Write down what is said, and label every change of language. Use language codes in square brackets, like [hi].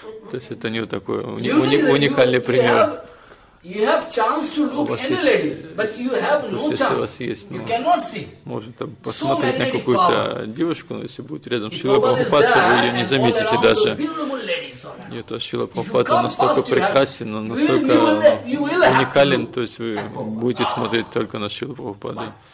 [ru] То есть это не вот такой уникальный пример. [en] You have chance to look any ladies, but you have no chance. You cannot see. [ru] Может там посмотреть на какую-то девушку, но если будет рядом Шрила Прабхупада, вы ее не заметите даже. Нет, Шрила Прабхупада настолько прекрасен, он настолько уникален, то есть вы будете смотреть только на Шрилу Прабхупаду.